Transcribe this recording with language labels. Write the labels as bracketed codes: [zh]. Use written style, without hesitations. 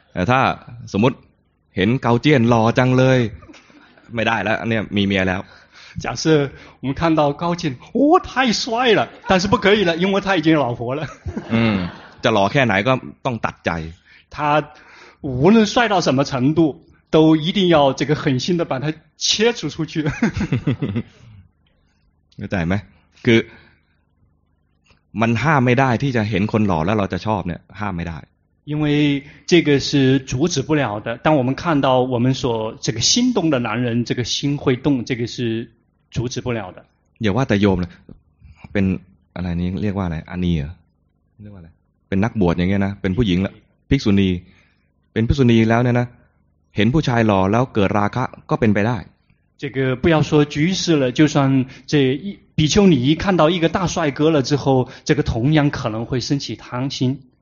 [th] ถ้าสมมติเห็นเกาเจียนหล่อจังเลยไม่ได้แล้วเนี่ยมีเมียแล้ว [zh] 假设我们看到高进，哦，太帅了，但是不可以了，因为他已经有老婆了。 [th] จะหล่อแค่ไหนก็ต้องตัดใจ。 [zh] 他无论帅到什么程度，都一定要这个狠心的把他切除出去。有在没？ [th] คือมันห้ามไม่ได้ที่จะเห็นคนหล่อแล้วเราจะชอบเนี่ยห้ามไม่ได้ [zh] 因为这个是阻止不了的当我们看到我们所这个心动的男人这个心会动这个是阻止不了的 [th] อย่าว่าแต่โยมเลยเป็นอะไรนี้เรียกว่าอะไรอานีเหรอเรียกว่าอะไรเป็นนักบวชอย่างเงี้ยนะเป็นผู้หญิงแล้วภิกษุณีเป็นภิกษุณีแล้วเนี่ยนะเห็นผู้ชายหล่อแล้วเกิดราคะก็เป็นไปได้ [zh] 这个不要说居士了就算这一比丘尼看到一个大帅哥了之后这个同样可能会升起贪心